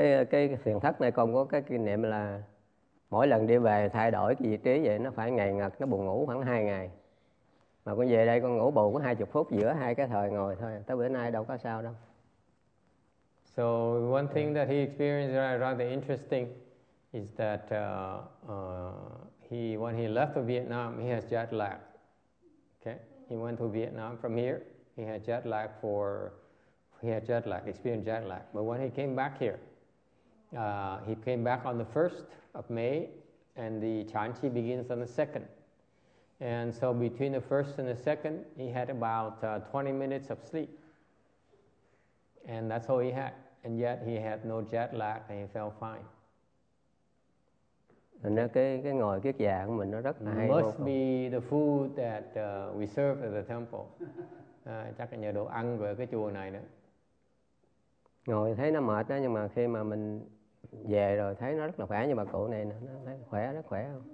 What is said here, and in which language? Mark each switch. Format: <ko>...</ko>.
<vi>Cái phiền thất này còn có cái kinh nghiệm là mỗi lần đi về thay đổi cái vị trí vậy, nó phải ngày ngật, nó buồn ngủ khoảng 2 ngày. Mà con về đây con ngủ bù có 20 phút giữa hai cái thời ngồi thôi. Tới bữa nay đâu có sao đâu.</vi> <en>So one thing that he experienced is rather interesting. Is that when he left Vietnam, he has jet lag. Okay, he went to Vietnam from here. Experienced jet lag. But when he came back here, he came back on the 1st of May, and the Chan Chi begins on the 2nd. And so between the 1st and the 2nd, he had about 20 minutes of sleep, and that's all he had. And yet he had no jet lag, and he felt fine.</en> <vi>Cái ngồi kiết già của mình nó rất là hay.</vi> <en>Must be the food that we serve at the temple.</en> <vi>Chắc là nhờ đồ ăn của cái chùa này nữa. Ngồi thấy nó mệt đó, nhưng mà khi mà mình về rồi thấy nó rất là khỏe, như bà cụ này nó thấy khỏe, rất khỏe, không?</vi>